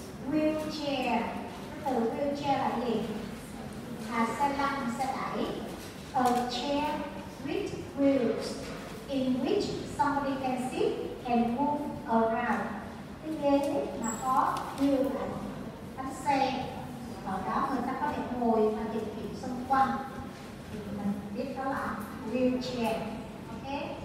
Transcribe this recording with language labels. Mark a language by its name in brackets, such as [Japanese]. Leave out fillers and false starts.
[Vietnamese] Wheelchair, từ wheelchair là gì? Là xe lăn, xe đẩy. [English] A chair with wheels in which somebody can sit and move around. [Vietnamese] Cái ghế mà có wheel là bánh xe, ở đó người ta có thể ngồi và điều khiển xung quanh, thì mình biết đó là wheelchair. Ok.